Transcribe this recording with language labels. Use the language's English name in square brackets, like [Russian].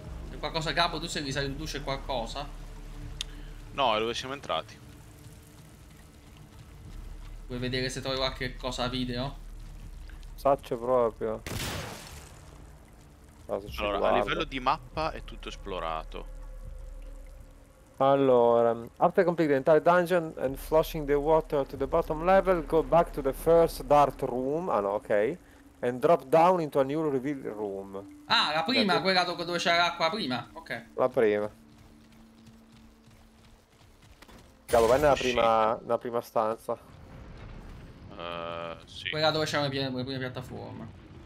[Italian] C'è qualcosa a capo? Tu sei in duce qualcosa? No, è dove siamo entrati. Vuoi vedere se trovi qualche cosa a video? Faccio proprio. Allora, a livello di mappa è tutto esplorato. [English] Allora, after completing the entire dungeon and flushing the water to the bottom level, go back to the first dart room. [Italian] Ah no, ok. [English] And drop down into a new reveal room. [Italian] Ah, la prima, quella dove c'era l'acqua prima. Ok. La prima. Cavolo, vai nella prima stanza. Sì. Quella dove c'era la prima piattaforma.